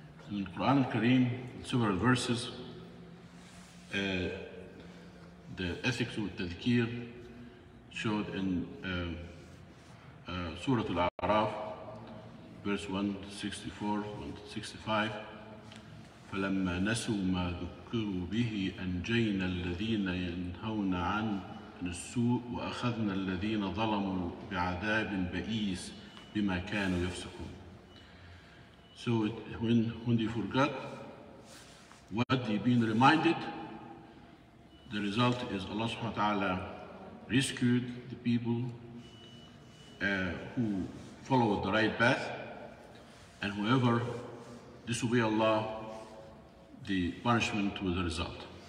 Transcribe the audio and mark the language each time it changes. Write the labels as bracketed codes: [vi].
[en] In the Quran al-Kareem, several verses, the ethics of tadhkir showed in Surah Al-A'raf, verse 164, 165. [ar] فلما نسوا ما ذكروا به أنجينا الذين ينهون عن السوء وأخذنا الذين ظلموا بعذاب بئيس بما كانوا يفسقون. [en] So when they forgot what they've been reminded, the result is Allah subhanahu wa ta'ala rescued the people who followed the right path, and whoever disobey Allah, the punishment with the result.